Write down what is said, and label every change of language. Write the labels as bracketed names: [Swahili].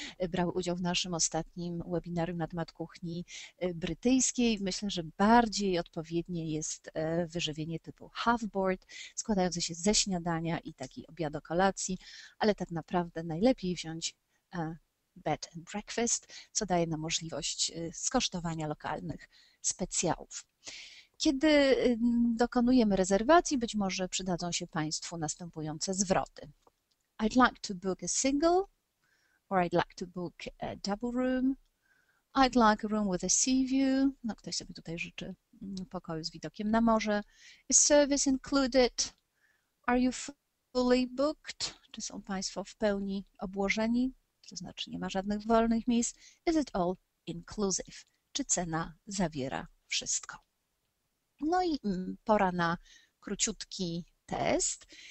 [Polish] brały udział w naszym ostatnim webinarium na temat kuchni brytyjskiej, myślę, że bardziej odpowiednie jest wyżywienie typu half board, składające się ze śniadania i taki obiad o kolacji, ale tak naprawdę najlepiej wziąć bed and breakfast, co daje nam możliwość skosztowania lokalnych specjałów. Kiedy dokonujemy rezerwacji, być może przydadzą się Państwu następujące zwroty. [English] I'd like to book a single, or I'd like to book a double room. I'd like a room with a sea view. [Polish] No, ktoś sobie tutaj życzy pokoju z widokiem na morze. [English] Is service included? Are you fully booked? [Polish] Czy są Państwo w pełni obłożeni? To znaczy nie ma żadnych wolnych miejsc. [English] Is it all inclusive? [Polish] Czy cena zawiera wszystko? No i pora na króciutki test.